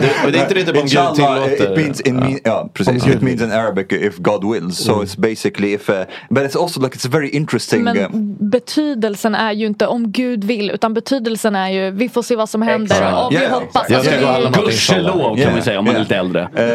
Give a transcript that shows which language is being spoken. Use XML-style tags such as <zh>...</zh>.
<sv>Det är inte det om gud tillåter.</sv> <en>It means in Arabic if God wills, so it's basically if but it's also like it's very interesting.</en> <sv>Men betydelsen är ju inte om gud vill, utan betydelsen är ju vi får se vad som händer. Vi hoppas. Gudskelov kan man säga om man är lite äldre.</sv>